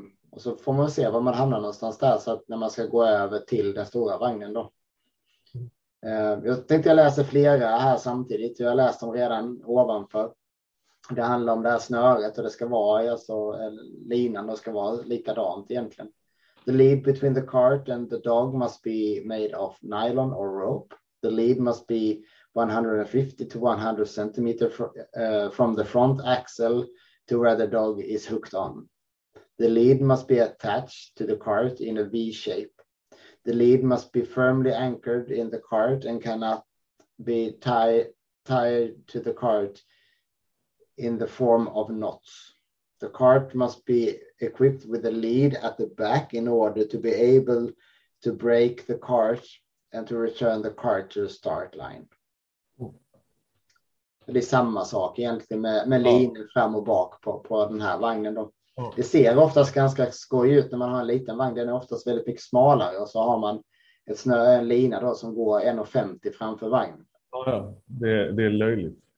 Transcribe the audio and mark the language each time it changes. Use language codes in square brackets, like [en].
[sv] Och så får man se var man hamnar någonstans där. Så att när man ska gå över till den stora vagnen då. Jag läser flera här samtidigt. Jag har läst dem redan ovanför. Det handlar om det här snöret och det ska vara alltså, linan och ska vara likadant egentligen. [en] The lead between the cart and the dog must be made of nylon or rope. The lead must be 150 to 100 centimeter from the front axle to where the dog is hooked on. The lead must be attached to the cart in a V shape. The lead must be firmly anchored in the cart and cannot be tied to the cart in the form of knots. The cart must be equipped with a lead at the back in order to be able to break the cart and to return the cart to the start line. Mm. [sv] Det är samma sak egentligen med linen fram och bak på den här vagnen då. Mm. Det ser oftast ganska skoj ut när man har en liten vagn. Den är oftast väldigt mycket smalare och så har man en lina då som går 1,50 framför vagnen. Ja, det är löjligt.